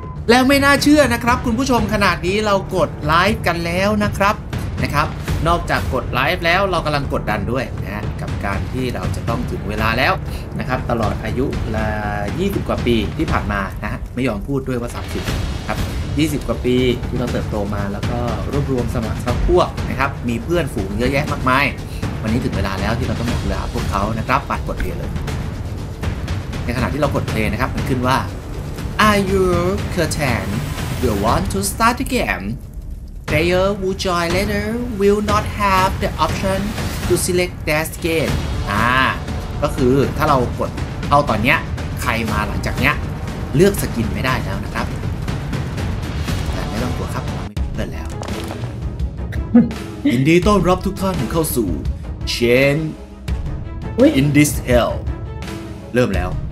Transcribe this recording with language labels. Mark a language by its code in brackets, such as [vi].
[th] แล้วไม่น่าเชื่อนะครับคุณผู้ชมขนาดนี้เรากดไลฟ์กันแล้วนะครับนะครับนอกจากกดไลฟ์แล้วเรากำลังกดดันด้วยนะกับการที่เราจะต้องถึงเวลาแล้วนะครับตลอดอายุละ20กว่าปีที่ผ่านมานะไม่ยอมพูดด้วยว่า30ครั บ20กว่าปีที่เราเติบโตมาแล้วก็รวบรวมสมาชิกพวกนะครับมีเพื่อนฝูงเยอะแยะมากมายวันนี้ถึงเวลาแล้วที่เราต้องหมดเวลาพวกเขานะครับปัดกดเพลย์เลยในขณะที่เรากดเพลย์นะครับมันขึ้นว่า [en] Are you content? Do you want to start the game? Player who join later will not have the option to select their skin. [th] ก็คือถ้าเรากดเอาตอนเนี้ยใครมาหลังจากเนี้ยเลือกสกินไม่ได้แล้วนะครับแต่ไม่ต้องกลัวครับเราไม่เปิดแล้ว ยินดีต้อนรับทุกท่านเข้าสู่ Chain in this hell เริ่มแล้ว